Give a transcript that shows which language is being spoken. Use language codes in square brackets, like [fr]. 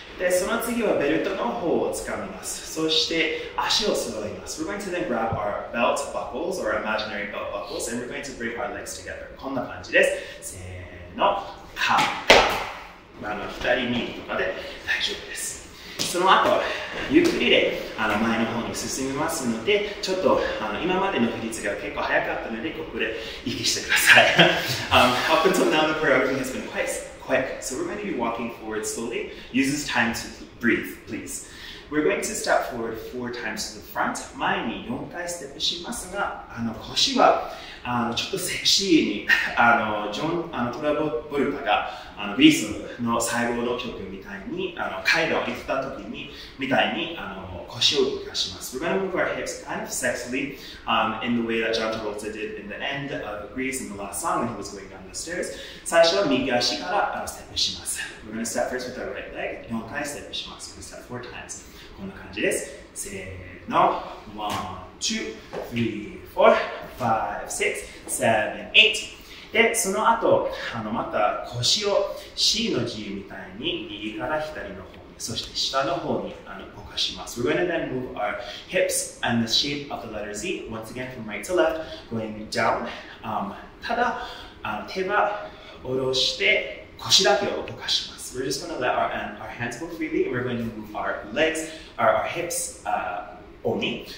[ja] で、その次はベルトの方をつかみます。そして足を揃います。 [en] We're going to then grab our belt buckles or imaginary belt buckles and we're going to bring our legs together. [ja] こんな感じです。せーの、カッカッ。左にとかで大丈夫です。その後、ゆっくりで前の方に進みますので、ちょっと今までの振り付けが結構早かったので、ここで息してください。 [en] up until now, the choreography has been quick. So we're going to be walking forward slowly. Use this time to breathe, please. We're going to step forward four times to the front. [ja] 前に4回ステップしますが、腰はちょっとセクシーにトラボルタがグリースの最後の曲みたいに階段を行った時にみたいに腰を動かします。 [en] We're going to move our hips kind of sexily in the way that John Travolta did in the end of Grease in the last song when he was going down the stairs. [ja] 最初は右足からステップします。 [en] We're going to step first with our right leg. [ja] 4回ステップします。 [en] We're going to step four times. [ja] こんな感じです。せーの。1、2、3、4、5、6、7、8。で、その後、また腰を C の G みたいに右から左の方に、そして下の方に動かします。 [en] We're going to then move our hips and the shape of the letter Z, once again from right to left, going down. [ja] ただ、手は下ろして腰だけを動かします。 [en] We're just going to let our hands go freely, and we're going to move our legs, our hips, only.